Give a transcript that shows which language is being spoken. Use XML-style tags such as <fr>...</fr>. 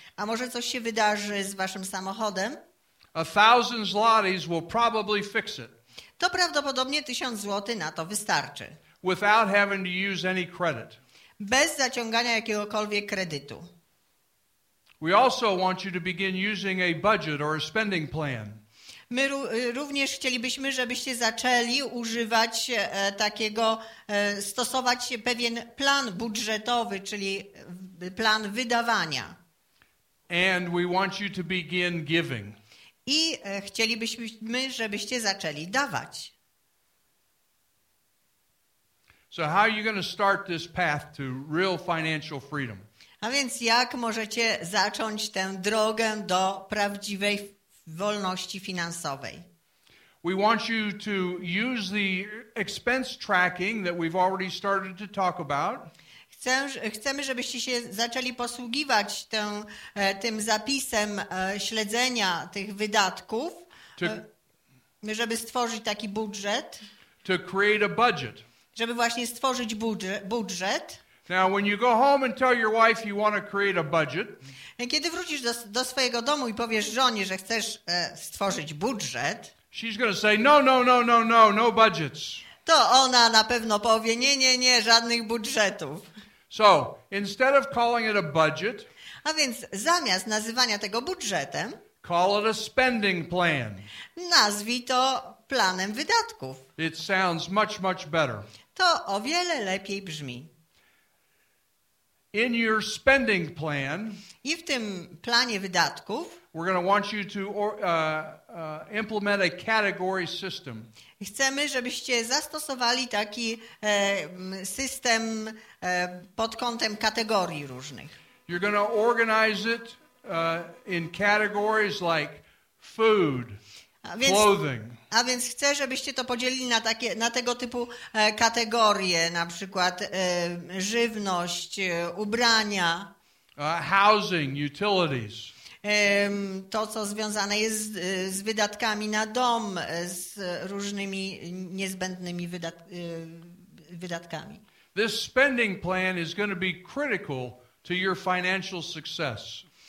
<pl>a może coś się wydarzy z waszym samochodem,</pl> <en>1,000 zlotys will probably fix it.</en> <pl>To prawdopodobnie 1,000 zł na to wystarczy.</pl> <en>Without having to use any credit.</en> <pl>Bez zaciągania jakiegokolwiek kredytu.</pl> <en>We also want you to begin using a budget or a spending plan.</en> <pl>My również chcielibyśmy, żebyście zaczęli używać takiego, stosować pewien plan budżetowy, czyli plan wydawania.</pl> <en>And we want you to begin giving.</en> <pl>I chcielibyśmy, żebyście zaczęli dawać.</pl> <en>So how are you going to start this path to real financial freedom?</en> <pl>A więc jak możecie zacząć tę drogę do prawdziwej wolności finansowej?</pl> <en>We want you to use the expense tracking that we've already started to talk about.</en> <pl>Chcemy, żebyście się zaczęli posługiwać tym zapisem śledzenia tych wydatków, żeby stworzyć taki budżet.</pl> <en>To create a budget.</en> <pl>Żeby właśnie stworzyć budżet.</pl> <en>Now, when you go home and tell your wife you want to create a budget,</en> <pl>kiedy wrócisz do swojego domu i powiesz żonie, że chcesz stworzyć budżet,</pl> <en>she's going to say, no budgets.</en> <pl>To ona na pewno powie, nie, żadnych budżetów.</pl> <en>So, instead of calling it a budget,</en> <pl>a więc zamiast nazywania tego budżetem,</pl> <en>call it a spending plan.</en> <pl>Nazwij to planem wydatków.</pl> <en>It sounds much, much better.</en> <pl>To o wiele lepiej brzmi.</pl> <en>In your spending plan,</en> <pl>i w tym planie wydatków,</pl> <en>we're going to want you to implement a category system.</en> <pl>Chcemy, żebyście zastosowali taki system pod kątem kategorii różnych.</pl> <en>You're going to organize it in categories like food, clothing.</en> <pl>A więc chcę, żebyście to podzielili na tego typu kategorie, na przykład żywność, ubrania.</pl> <en>Housing, utilities.</en> <pl>To, co związane jest z wydatkami na dom, z różnymi niezbędnymi wydatkami.</pl> <en>This spending plan is going to be critical to your financial success.</en>